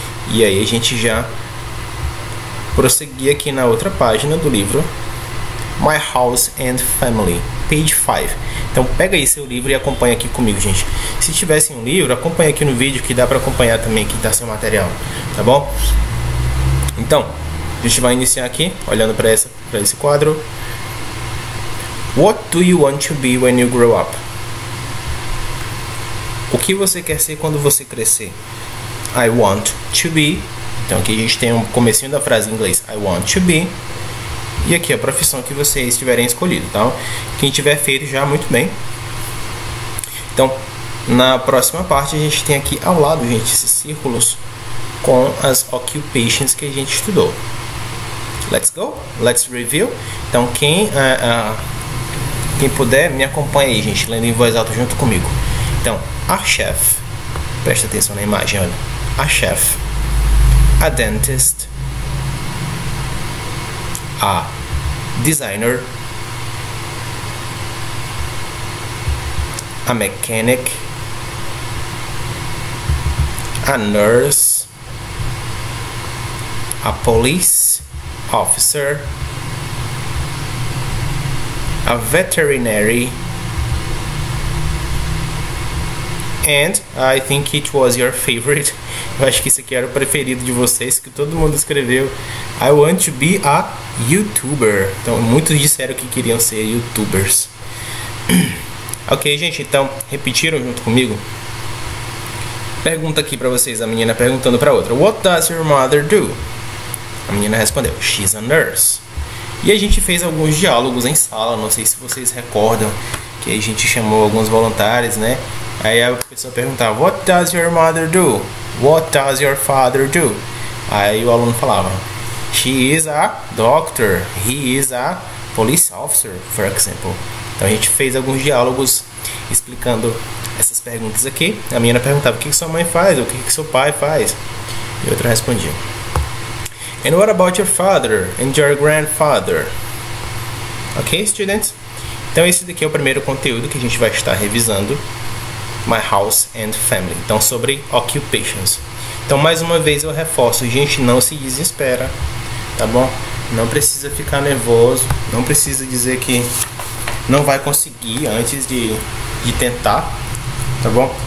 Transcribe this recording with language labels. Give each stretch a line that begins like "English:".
Portuguese: E aí a gente já prosseguia aqui na outra página do livro, My House and Family, page 5. Então pega aí seu livro e acompanha aqui comigo, gente. Se tivessem um livro, acompanha aqui no vídeo que dá pra acompanhar também aqui, tá, seu material, tá bom? Então, a gente vai iniciar aqui, olhando para esse quadro.
English: What do you want to be when you grow up?
Portuguese: O que você quer ser quando você crescer?
English: I want to be.
Portuguese: Então, aqui a gente tem um comecinho da frase em inglês.
English: I want to be.
Portuguese: E aqui a profissão que vocês tiverem escolhido, tá? Quem tiver feito já, muito bem. Então, na próxima parte, a gente tem aqui ao lado, gente, esses círculos com as occupations que a gente estudou.
English: Let's go, let's review.
Portuguese: Então quem puder me acompanha aí, gente, lendo em voz alta junto comigo. Então, a chef, presta atenção na imagem, olha, a chef, a dentist, a designer,
English: a mechanic, a nurse, a police officer, a veterinary, and I think it was your favorite.
Portuguese: Eu acho que esse aqui era o preferido de vocês, que todo mundo escreveu.
English: I want to be a YouTuber.
Portuguese: Então, muitos disseram que queriam ser YouTubers. Ok, gente, então, repetiram junto comigo? Pergunta aqui pra vocês, a menina perguntando pra outra.
English: What does your mother do?
Portuguese: A menina respondeu,
English: she's a nurse.
Portuguese: E a gente fez alguns diálogos em sala, não sei se vocês recordam, que a gente chamou alguns voluntários, né? Aí a pessoa perguntava:
English: What does your mother do? What does your father do?
Portuguese: Aí o aluno falava:
English: She is a doctor. He is a police officer, for example.
Portuguese: Então a gente fez alguns diálogos explicando essas perguntas aqui. A menina perguntava: O que que sua mãe faz? O que que seu pai faz? E outra respondia:
English: And what about your father and your grandfather? Ok, students?
Portuguese: Então esse daqui é o primeiro conteúdo que a gente vai estar revisando. My house and family. Então sobre occupations. Então mais uma vez eu reforço, gente, não se desespera, tá bom? Não precisa ficar nervoso, não precisa dizer que não vai conseguir antes de tentar, tá bom?